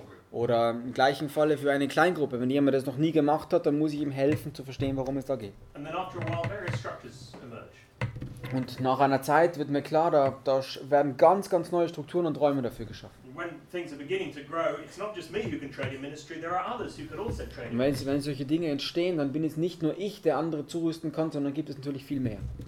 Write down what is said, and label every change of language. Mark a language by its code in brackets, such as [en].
[de] Oder im gleichen Falle für eine Kleingruppe. Wenn jemand das noch nie gemacht hat, dann muss ich ihm helfen, zu verstehen, worum es da geht. [en] And then after a while, various structures emerge. [de] Und nach einer Zeit wird mir klar, da werden ganz, ganz neue Strukturen und Räume dafür geschaffen. Und wenn solche Dinge entstehen, dann bin es nicht nur ich, der andere zurüsten kann, sondern gibt es natürlich viel mehr.